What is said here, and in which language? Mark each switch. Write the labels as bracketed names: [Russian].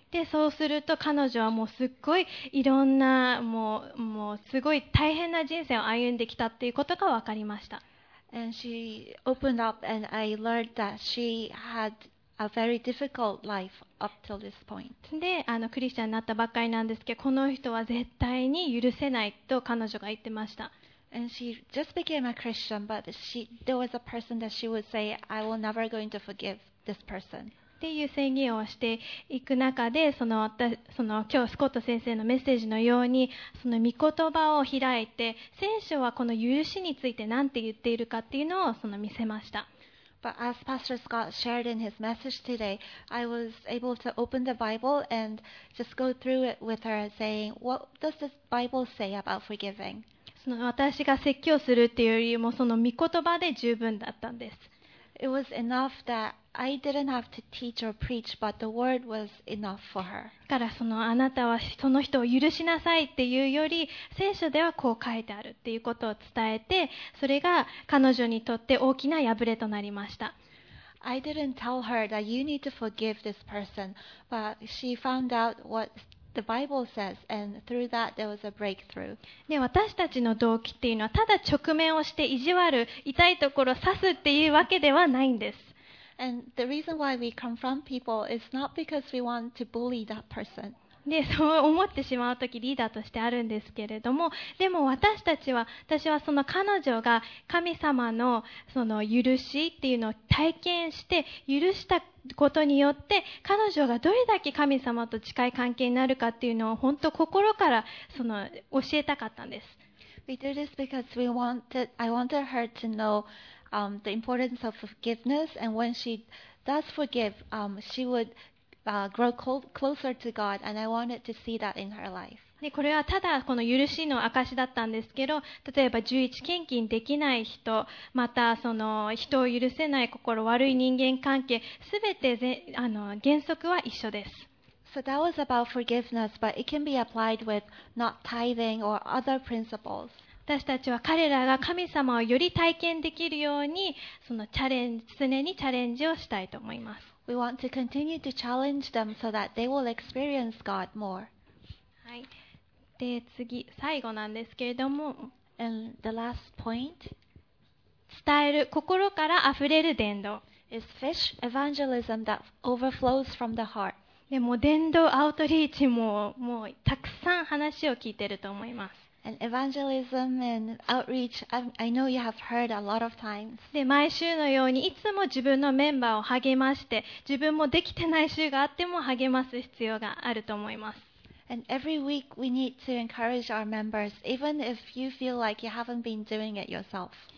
[Japanese] で、そうすると彼女はもうすっごいいろんな、もうすごい大変な人生を歩んできたっていうことが分かりました。 [English] And she opened up and I learned that she had a very difficult life up till this point. [Japanese] で、クリスチャンになったばっかりなんですけど、この人は絶対に許せないと彼女が言ってました。 [English] And she just became a Christian, but there was a person that she would say, I will never going to forgive this person. [Japanese] っていう宣言をしていく中で、その今日スコット先生のメッセージのようにその御言葉を開いて、聖書はこの許しについて何て言っているかっていうのをその見せました。 [English] But as Pastor Scott shared in his message today, I was able to open the Bible and just go through it with her saying, what does this Bible say about forgiving? [Japanese] その私が説教するっていうよりもその御言葉で十分だったんです。 [English] It was enough that I didn't have to teach or preach, but the word was enough for her. [Japanese] だからそのあなたはその人を許しなさいっていうより、聖書ではこう書いてあるっていうことを伝えて、それが彼女にとって大きな破れとなりました。 [English] I didn't tell her that you need to forgive this person, but she found out what the Bible says, and through that there was a breakthrough. [Japanese] で、私たちの動機っていうのはただ直面をして意地悪、痛いところを刺すっていうわけではないんです。 [English] And the reason why we confront people is not because we want to bully that person. [Japanese] で、そう思ってしまうときリーダーとしてあるんですけれども、でも私たちは、私はその彼女が神様のその許しっていうのを体験して許したことによって、彼女がどれだけ神様と近い関係になるかっていうのを本当心からその教えたかったんです。 [English] We do this because we wanted, I wanted her to know. The importance of forgiveness, and when she does forgive, she would grow closer to God, and I wanted to see that in her life. [Japanese] で、これはただこの許しの証だったんですけど、例えば11献金できない人、またその人を許せない心、悪い人間関係、すべて原則は一緒です。 [English] So that was about forgiveness, but it can be applied with not tithing or other principles. [Japanese] 私たちは彼らが神様をより体験できるようにそのチャレンジ、常にチャレンジをしたいと思います。 [English] We want to continue to challenge them so that they will experience God more. [Japanese] はい。で、次、最後なんですけれども、 [English] And the last point [Japanese] 伝える、心からあふれる伝道 [English] is fish evangelism that overflows from the heart. [Japanese] でも伝道アウトリーチももうたくさん話を聞いてると思います。 [English] And evangelism and outreach, I know you have heard a lot of times. [Japanese] で、毎週のようにいつも自分のメンバーを励まして、自分もできてない週があっても励ます必要があると思います。 [English] And every week we need to encourage our members, even if you feel like you haven't been doing it yourself.